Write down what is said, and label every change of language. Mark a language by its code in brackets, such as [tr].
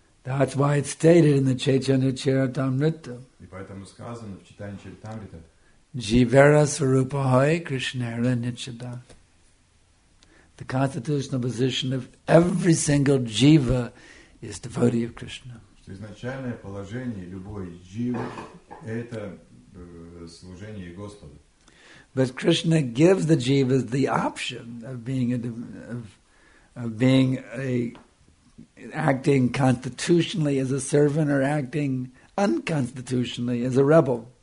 [en] That's why it's stated in the Chaitanya Charitamrita. [ru] И поэтому сказано в Читании Чаритамрита. [bn] Jivara Sarupahai Krishnara Nichada. [en] The constitutional position of every single jiva is devotee of Krishna. [ru] Что изначальное положение любой дживы это служение Господу. [en] But Krishna gives the jivas the option of acting constitutionally as a servant or acting unconstitutionally as a rebel.